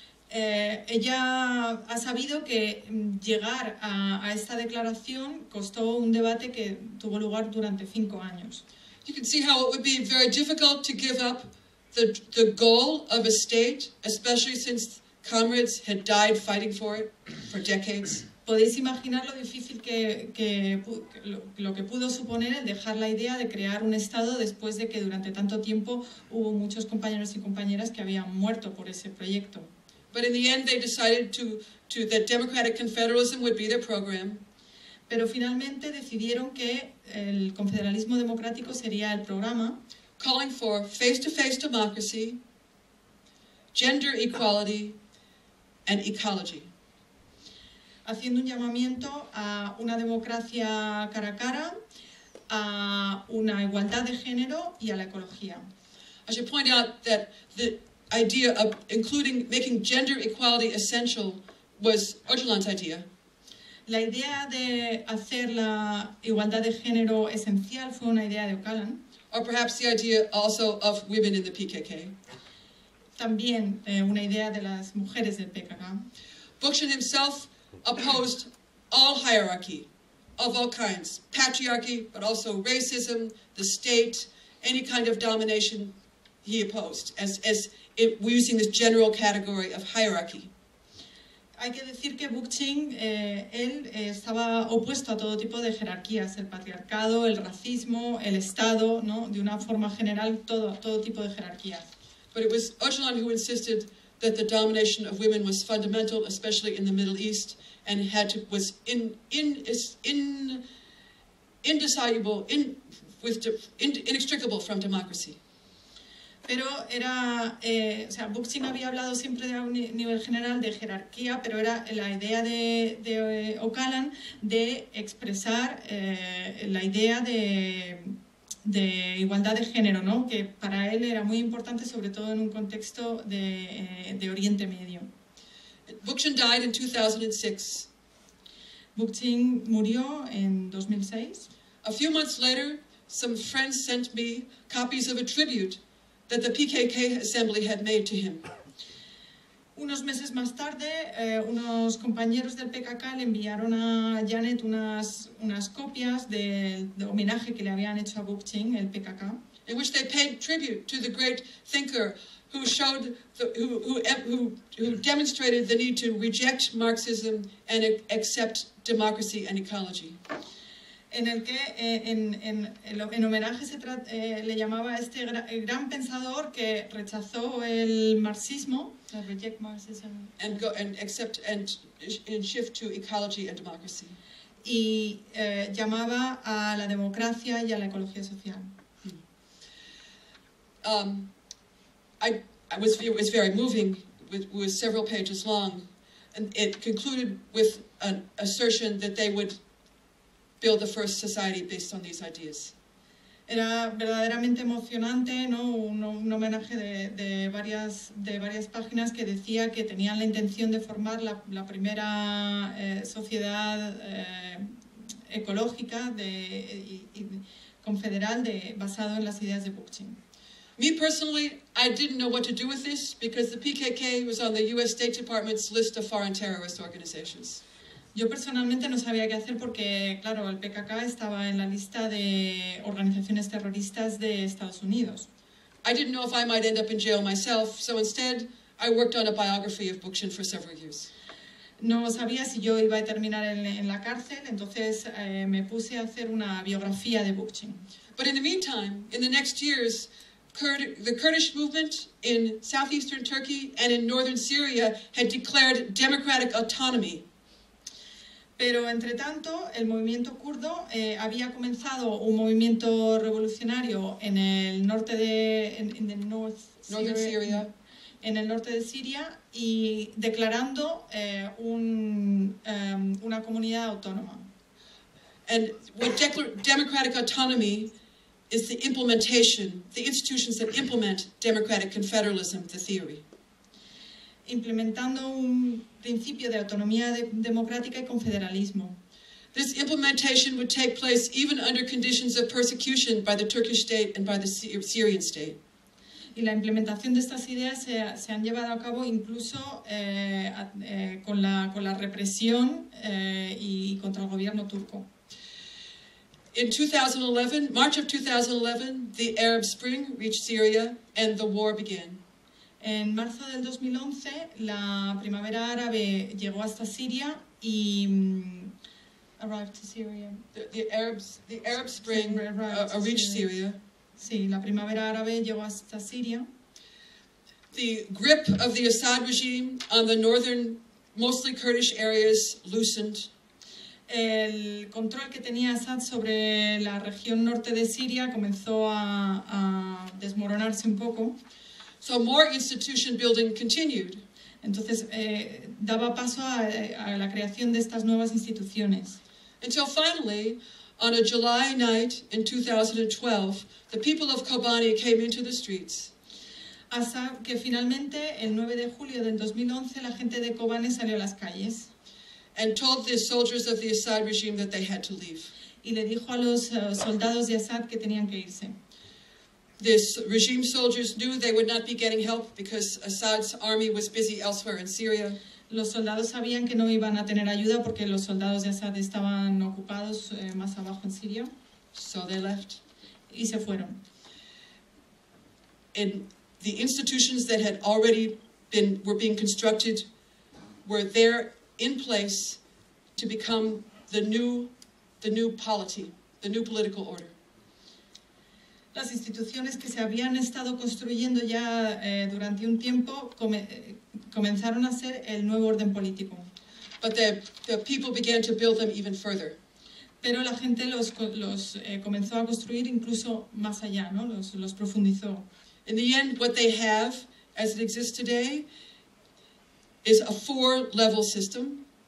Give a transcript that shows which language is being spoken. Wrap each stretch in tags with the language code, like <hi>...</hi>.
<es>Ella ha sabido que llegar a esta declaración costó un debate que tuvo lugar durante 5 años.</es> <en>You can see how it would be very difficult to give up the goal of a state, especially since comrades had died fighting for it for decades.</en> <es>Podéis imaginar lo difícil que pudo suponer el dejar la idea de crear un Estado después de que durante tanto tiempo hubo muchos compañeros y compañeras que habían muerto por ese proyecto.</es> <en>But in the end they decided that democratic confederalism would be their program.</en> <es>Pero finalmente decidieron que el confederalismo democrático sería el programa.</es> <en>Calling for face-to-face democracy, gender equality and ecology.</en> <es>Haciendo un llamamiento a una democracia cara a cara, a una igualdad de género y a la ecología.</es> <en>I should point out that the idea of including making gender equality essential was Öcalan's idea.</en> <es>La idea de hacer la igualdad de género esencial fue una idea de Öcalan.</es> <en>Or perhaps the idea also of women in the PKK.</en> <es>También una idea de las mujeres del PKK.</es> <en>Bookchin himself opposed all hierarchy of all kinds, patriarchy, but also racism, the state, any kind of domination he opposed, as it, we're using this general category of hierarchy.</en> <es>Hay que decir que Bookchin, él estaba opuesto a todo tipo de jerarquías, el patriarcado, el racismo, el Estado, ¿no? De una forma general, todo tipo de jerarquías.</es> <en>But it was Öcalan who insisted that the domination of women was fundamental, especially in the Middle East, and was inextricable from democracy.</en> <es>Pero era, o sea, Bookchin había hablado siempre de un nivel general de jerarquía, pero era la idea de Öcalan de expresar la idea de igualdad de género, ¿no? Que para él era muy importante, sobre todo en un contexto de Oriente Medio.</es> <en>Bookchin died in 2006.</en> <es>Bookchin murió en 2006.</es> <en>A few months later, some friends sent me copies of a tribute that the PKK assembly had made to him.</en> <es>Unos meses más tarde, unos compañeros del PKK le enviaron a Janet unas copias de homenaje que le habían hecho a Bookchin, el PKK.</es> <en>In which they paid tribute to the great thinker who showed who demonstrated the need to reject Marxism and accept democracy and ecology.</en> <es>En el que en homenaje se le llamaba este gran pensador que rechazó el marxismo,</es> <en>reject Marxism, and go and accept and shift to ecology and democracy.</en> <es>Y llamaba a la democracia y a la ecología social.</es> <en>It was very moving. It was several pages long, and it concluded with an assertion that they would build the first society based on these ideas.</en> <es>Era verdaderamente emocionante, ¿no? Un homenaje de varias páginas que decía que tenían la intención de formar la primera sociedad ecológica y confederal basado en las ideas de Bookchin.</es> <en>Me personally, I didn't know what to do with this because the PKK was on the US State Department's list of foreign terrorist organizations.</en> <es>Yo personalmente no sabía qué hacer porque, claro, el PKK estaba en la lista de organizaciones terroristas de Estados Unidos.</es> <en>I didn't know if I might end up in jail myself, so instead I worked on a biography of Bookchin for several years.</en> <es>No sabía si yo iba a terminar en la cárcel, entonces me puse a hacer una biografía de Bookchin.</es> <en>But in the meantime, in the next years, the Kurdish movement in southeastern Turkey and in northern Syria had declared democratic autonomy.</en> <es>Pero entre tanto, el movimiento kurdo había comenzado un movimiento revolucionario en el norte de Siria y declarando una comunidad autónoma.</es> <en>And what democratic autonomy is the implementation, the institutions that implement democratic confederalism, the theory.</en> <es>Implementando un principio de autonomía democrática y confederalismo.</es> <en>This implementation would take place even under conditions of persecution by the Turkish state and by the Syrian state.</en> <es>Y la implementación de estas ideas se han llevado a cabo incluso con la represión y contra el gobierno turco.</es> <en>In 2011, March of 2011, the Arab Spring reached Syria and the war began.</en> <es>En marzo del 2011, la primavera árabe llegó hasta Siria y</es> <en>arrived to Syria. The Arab Spring reached Syria.</en> <es>Sí, la primavera árabe llegó hasta Siria.</es> <en>The grip of the Assad regime on the northern, mostly Kurdish areas loosened.</en> <es>El control que tenía Assad sobre la región norte de Siria comenzó a desmoronarse un poco.</es> <en>So more institution building continued.</en> <es>Entonces daba paso a la creación de estas nuevas instituciones.</es> <en>until finally, on a July night in 2012, the people of Kobani came into the streets.</en> <es>Hasta que finalmente, el 9 de julio del 2011, la gente de Kobani salió a las calles.</es> <en>And told the soldiers of the Assad regime that they had to leave.</en> <es>Y le dijo a los soldados de Assad que tenían que irse.</es> <en>The regime soldiers knew they would not be getting help because Assad's army was busy elsewhere in Syria.</en> <es>Los soldados sabían que no iban a tener ayuda porque los soldados de Assad estaban ocupados más abajo en Siria.</es> <en>So they left.</en> <es>Y se fueron.</es> <en>And the institutions that had already been were being constructed were there in place to become the new polity, the new political order.</en> <es>Las instituciones que se habían estado construyendo ya durante un tiempo comenzaron a ser el nuevo orden político.</es> <en>But the people began to build them even further.</en> <es>Pero la gente los comenzó a construir incluso más allá, ¿no? Los profundizó.</es> <en>In the end, what they have, as it exists today, is a four-level system.</en>